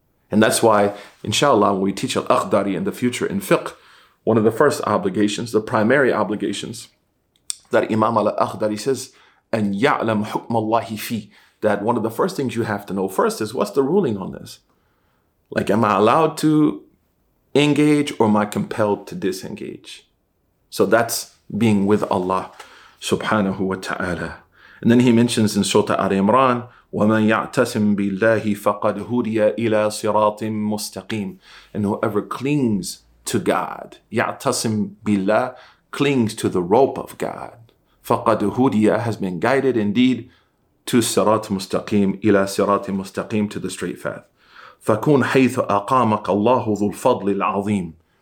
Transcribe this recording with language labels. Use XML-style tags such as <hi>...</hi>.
<en>And that's why, inshallah, when we teach al-aqdari in the future in fiqh, one of the first obligations, the primary obligations, that Imam al-Aqdari says,</en> <ar>أَنْ يَعْلَمْ حُكْمَ اللَّهِ فِي,</ar> <en>that one of the first things you have to know first is, what's the ruling on this? Like, am I allowed to engage or am I compelled to disengage? So that's being with Allah subhanahu wa ta'ala. And then he mentions in Surah Al-Imran,</en> <ar>وَمَنْ يَعْتَسِمْ بِاللَّهِ فَقَدْ هُدِيَ إِلَىٰ صِرَاطٍ مُسْتَقِيمٍ.</ar> <en>And whoever clings to God,</en> <ar>يَعْتَسِمْ بِاللَّهِ,</ar> <en>clings to the rope of God,</en> <ar>فَقَدْ هُدِيَ,</ar> <en>has been guided indeed, to</en> <ar>صِرَاطٍ مُسْتَقِيمٍ, إِلَىٰ صِرَاطٍ مُسْتَقِيمٍ,</ar> <en>to the straight path.</en> <ar>فَكُنْ حَيْثُ أَقَامَكَ اللَّهُ ذُو الْفَضْلِ الْعَظِيمِ.</ar>